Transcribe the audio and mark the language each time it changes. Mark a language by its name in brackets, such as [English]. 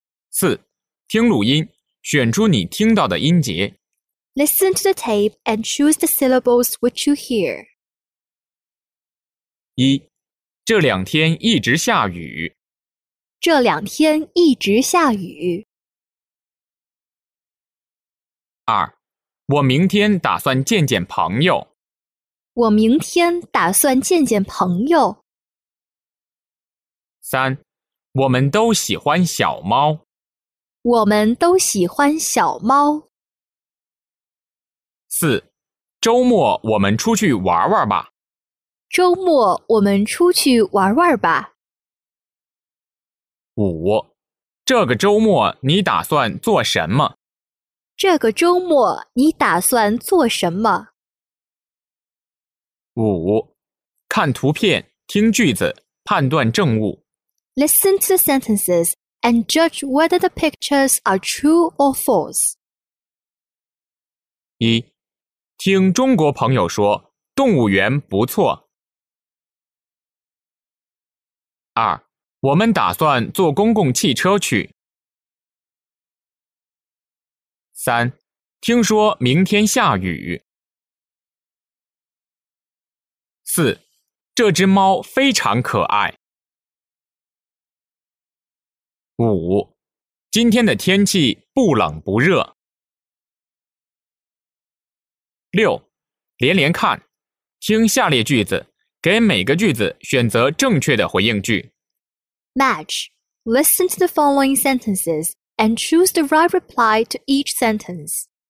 [Chinese] 四，听录音，选出你听到的音节。 [English] Listen to the tape and choose the syllables which you hear. [Chinese] 一，这两天一直下雨。这两天一直下雨。二，我明天打算见见朋友。我明天打算见见朋友。三，我们都喜欢小猫。我们都喜欢小猫。四，周末我们出去玩玩吧。周末我们出去玩玩吧。五，这个周末你打算做什么？这个周末你打算做什么？五，看图片，听句子，判断正误。 [English] Listen to sentences and judge whether the pictures are true or false. [Chinese] 一，听中国朋友说，动物园不错。二，我们打算坐公共汽车去。三，听说明天下雨。四，这只猫非常可爱。五，今天的天气不冷不热。六，连连看，听下列句子，给每个句子选择正确的回应句。 [English] Match. Listen to the following sentences and choose the right reply to each sentence.